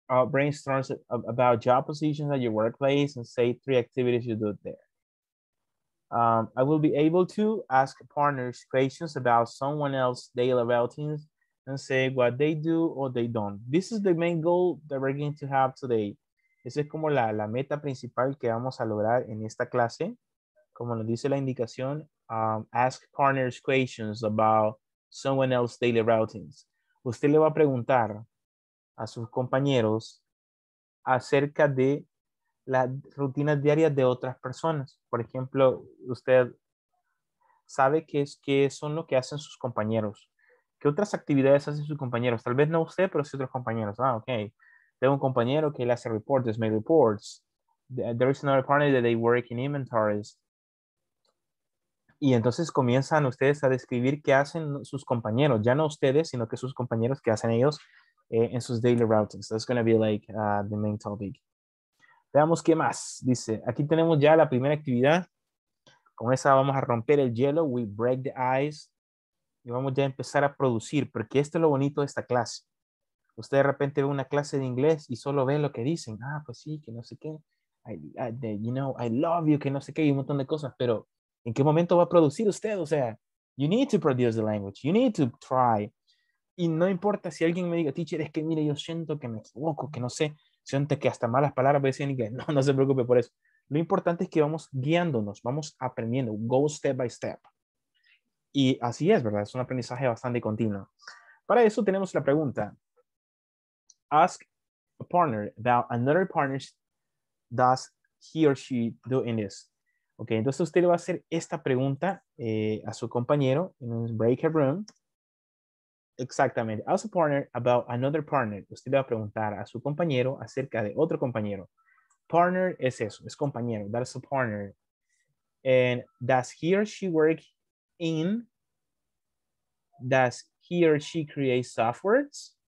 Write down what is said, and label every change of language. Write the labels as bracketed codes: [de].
[en] brainstorm about job positions at your workplace and say three activities you do there. I will be able to ask partners questions about someone else's daily routines and say what they do or they don't. This is the main goal that we're going to have today. [es] Esa es como la meta principal que vamos a lograr en esta clase. Como nos dice la indicación, [en] ask partners questions about someone else's daily routines. [es] Usted le va a preguntar a sus compañeros acerca de las rutinas diarias de otras personas. Por ejemplo, usted sabe qué son lo que hacen sus compañeros. ¿Qué otras actividades hacen sus compañeros? Tal vez no usted, pero sí otros compañeros. Ah, ok. Tengo un compañero que le hace reportes, [en] make reports. There is another partner that they work in inventories. [es] Y entonces comienzan ustedes a describir qué hacen sus compañeros. Ya no ustedes, sino que sus compañeros, qué hacen ellos en sus daily routings. [en] That's going to be like the main topic. [es] Veamos qué más. Dice, aquí tenemos ya la primera actividad. Con esa vamos a romper el hielo. [en] We break the ice. [es] Y vamos ya a empezar a producir, porque esto es lo bonito de esta clase. Usted de repente ve una clase de inglés y solo ve lo que dicen. Ah, pues sí, que no sé qué. [en] You know, I love you, [es] que no sé qué. Y un montón de cosas. Pero, ¿en qué momento va a producir usted? O sea, [en] you need to produce the language. You need to try. [es] Y no importa si alguien me diga, teacher, es que mire, yo siento que me equivoco, que no sé. Siento que hasta malas palabras voy a decir en inglés. No, no se preocupe por eso. Lo importante es que vamos guiándonos, vamos aprendiendo. [en] Go step by step. [es] Y así es, ¿verdad? Es un aprendizaje bastante continuo. Para eso tenemos la pregunta. [en] Ask a partner about another partner does he or she do in this. [es] Ok, entonces usted le va a hacer esta pregunta a su compañero en un breakout room. Exactamente. [en] Ask a partner about another partner. [es] Usted le va a preguntar a su compañero acerca de otro compañero. [en] Partner [es] es eso, es compañero. [en] That's a partner. And does he or she work in, does he or she create softwares?